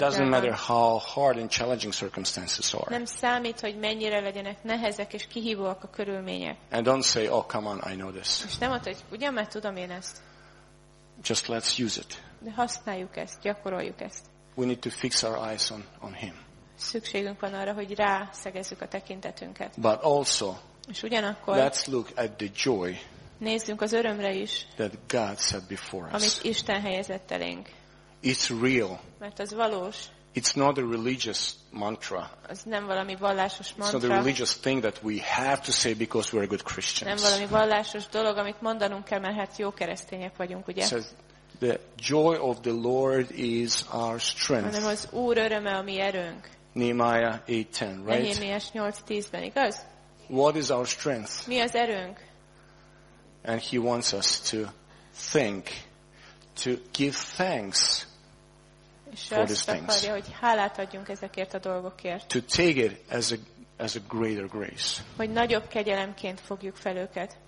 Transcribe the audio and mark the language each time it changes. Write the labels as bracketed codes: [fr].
[en] Doesn't matter how hard and challenging circumstances are. [hu] Nem számít, hogy mennyire legyenek nehezek és kihívóak a körülmények. [en] And don't say, oh, come on, I know this. [hu] És nem mondta, hogy ugyan már tudom én ezt. [en] Just let's use it. [hu] De használjuk ezt, gyakoroljuk ezt. [en] We need to fix our eyes on him. [hu] Szükségünk van arra, hogy rászegezzük a tekintetünket. [en] But also, [hu] és ugyanakkor, [en] let's look at the joy. [hu] Nézzünk az örömre is. [en] That God set before us. [hu] Amit Isten helyezett elénk. [en] It's real. [hu] Mert az valós. [en] It's not a religious mantra. [hu] Ez nem valami vallásos mantra. [en] It's not a religious thing that we have to say because we're good Christians. [hu] Nem valami vallásos dolog, amit mondanunk kell, mert hát jó keresztények vagyunk, ugye? [en] Says, the joy of the Lord is our strength. [hu] Hanem az Úr öröme a mi erőnk. [en] Nehemiah 8:10, right? [hu] Nehemiás 8:10-ben, igaz? [en] What is our strength? [hu] Mi az erőnk? [en] And he wants us to think, to give thanks for these things. [hu] Akarja, hogy hálát adjunk ezekért a dolgokért. [en] To take it as a greater grace. [hu] Hogy nagyobb kegyelemként fogjuk fel őket.